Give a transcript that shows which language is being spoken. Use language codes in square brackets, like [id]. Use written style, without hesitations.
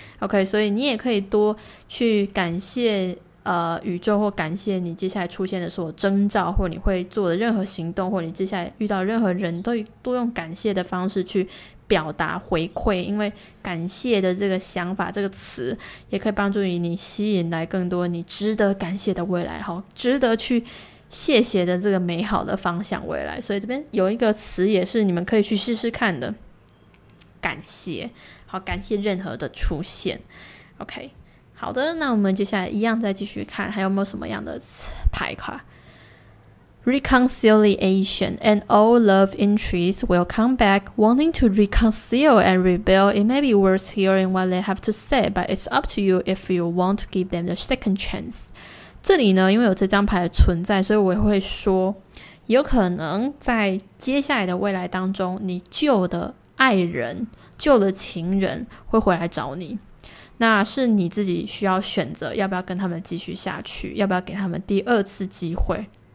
[zh] OK， 所以你也可以多去感谢宇宙，或感谢你接下来出现的所有征兆，或你会做的任何行动，或你接下来遇到任何人，都多用感谢的方式去表达回馈，因为感谢的这个想法这个词也可以帮助于你吸引来更多你值得感谢的未来，值得去谢谢的这个美好的方向未来。所以这边有一个词也是你们可以去试试看的，感谢，好，感谢任何的出现。 OK， 好的，那我们接下来一样再继续看还有没有什么样的牌卡。 [en] Reconciliation and all love entries will come back wanting to reconcile and rebuild. It may be worth hearing what they have to say, but it's up to you if you want to give them the second chance. [zh] 这里呢，因为有这张牌的存在，所以我会说有可能在接下来的未来当中，你旧的爱人旧的情人会回来找你，那是你自己需要选择要不要跟他们继续下去，要不要给他们第二次机会。